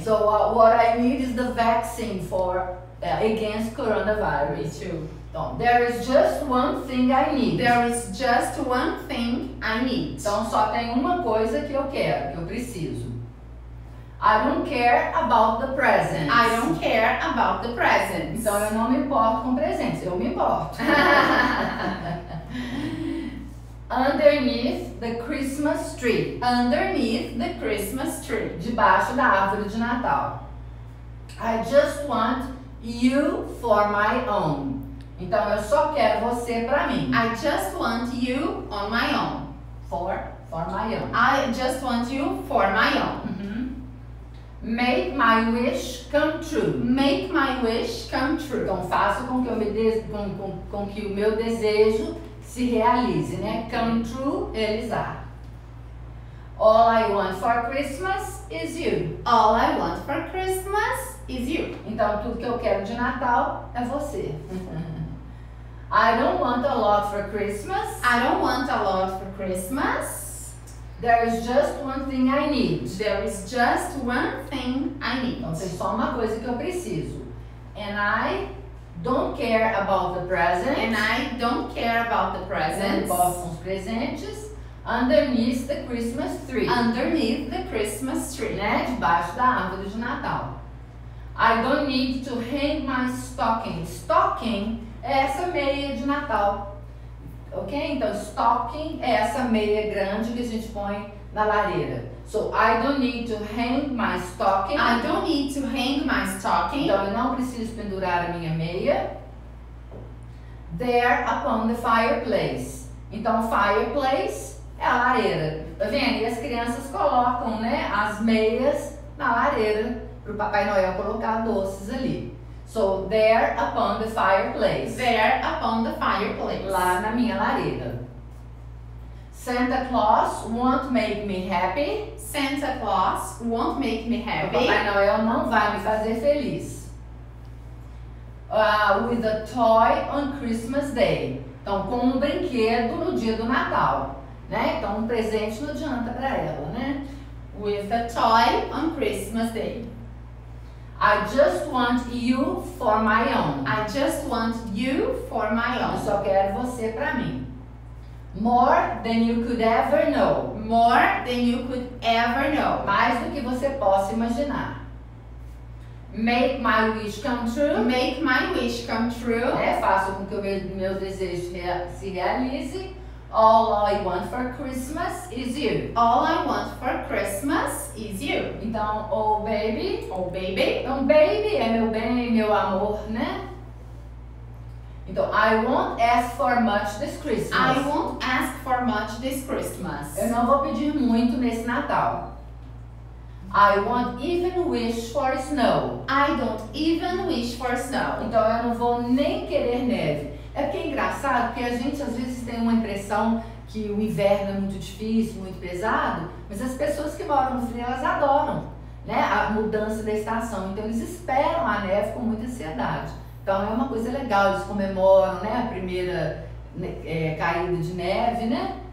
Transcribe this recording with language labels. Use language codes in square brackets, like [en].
[en] So what I need is the vaccine for against coronavirus. Me too. [pt] Então, [en] there is just one thing I need. There is just one thing I need. [pt] Então só tem uma coisa que eu quero, que eu preciso. [en] I don't care about the presents. I don't care about the presents. [pt] Então eu não me importo com presentes, eu me importo. [en] Underneath the Christmas tree. Underneath the Christmas tree. [pt] Debaixo da árvore de Natal. [en] I just want you for my own. [pt] Então eu só quero você para mim. [en] I just want you on my own. For my own. I just want you for my own. Make my wish come true. Make my wish come true. [pt] Então faça com que o meu desejo se realize, né? [en] Come true, [pt] realizar. [en] All I want for Christmas is you. All I want for Christmas is you. [pt] Então tudo que eu quero de Natal é você. [en] I don't want a lot for Christmas. I don't want a lot for Christmas. There is just one thing I need. There is just one thing I need. [pt] Então tem só uma coisa que eu preciso. [en] And I don't care about the presents. And I don't care about the presents. [pt] Não importo com os presentes. [en] Underneath the Christmas tree. Underneath the Christmas tree. [pt] Né? Debaixo da árvore de Natal. [en] I don't need to hang my stocking. [pt] Stocking é essa meia de Natal. Ok? Então, stocking é essa meia grande que a gente põe na lareira. [en] So, I don't need to hang my stocking. I don't need to hang my stocking. [pt] Então, eu não preciso pendurar a minha meia. [en] There upon the fireplace. [pt] Então, fireplace é a lareira. Tá vendo? E as crianças colocam, né, as meias na lareira para o Papai Noel colocar doces ali. [en] So, there upon the fireplace. There upon the fireplace. [pt] Lá na minha lareira. [en] Santa Claus won't make me happy. Santa Claus won't make me happy. [pt] O Papai Noel não vai me fazer feliz. [en] With a toy on Christmas Day. [pt] Então, com um brinquedo no dia do Natal. Né? Então, um presente não adianta para ela, né? [en] With a toy on Christmas Day. I just want you for my own. I just want you for my own. [pt] Eu só quero você para mim. [en] More than you could ever know. More than you could ever know. [pt] Mais do que você possa imaginar. [en] Make my wish come true. Make my wish come true. [pt] É fácil com que o meu desejo se realize. [en] All I want for Christmas is you. All I want for Christmas is you. [pt] Então, [en] oh baby. Oh baby. [pt] Então, baby é meu bem, meu amor, né? Então, [en] I won't ask for much this Christmas. I won't ask for much this Christmas. [pt] Eu não vou pedir muito nesse Natal. [en] I won't even wish for snow. I don't even wish for snow. [pt] Então, eu não vou nem querer neve. É que é engraçado, porque a gente às vezes tem uma impressão que o inverno é muito difícil, muito pesado, mas as pessoas que moram no frio, elas adoram, né, a mudança da estação. Então, eles esperam a neve com muita ansiedade. Então, é uma coisa legal, eles comemoram, né, a primeira caída de neve, né?